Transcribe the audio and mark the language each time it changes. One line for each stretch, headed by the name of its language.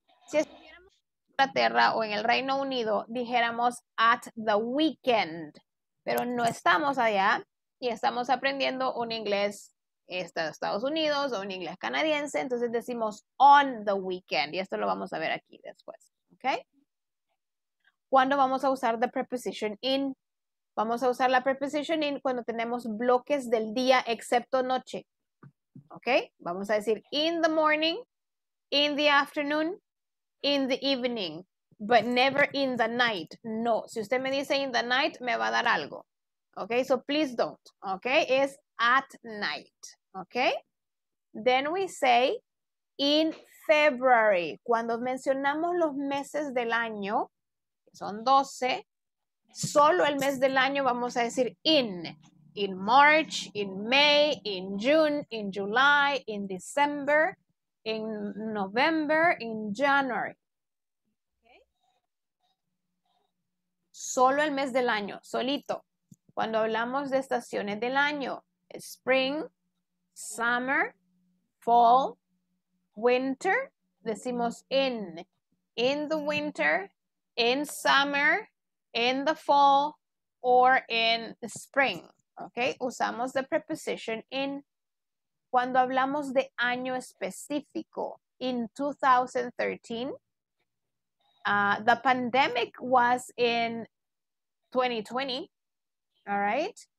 Spanish: Si estuviéramos en Inglaterra o en el Reino Unido, dijéramos
English: at the weekend,
Spanish: pero no estamos allá y estamos aprendiendo un inglés de Estados Unidos o un inglés canadiense, entonces decimos
English: on the weekend,
Spanish: y esto lo vamos a ver aquí después, ¿ok? ¿Cuándo vamos a usar
English: the preposition in?
Spanish: Vamos a usar la preposition in cuando tenemos bloques del día excepto noche, ¿ok? Vamos a decir
English: in the morning, in the afternoon, in the evening, but never in the night.
Spanish: No, si usted me dice in the night, me va a dar algo, ¿ok?
English: So please don't, ¿ok? Es at night, ¿ok? Then we say in February.
Spanish: Cuando mencionamos los meses del año, son 12, solo el mes del año vamos a decir in.
English: In March, in May, in June, in July, in December, in November, in January. Okay.
Spanish: Solo el mes del año, solito. Cuando hablamos de estaciones del año, spring, summer, fall, winter, decimos in.
English: In the winter, in summer, in the fall, or in the spring.
Spanish: Okay, usamos
English: the preposition in.
Spanish: Cuando hablamos de año específico, in 2013,
English: the pandemic was in 2020.
Spanish: All right.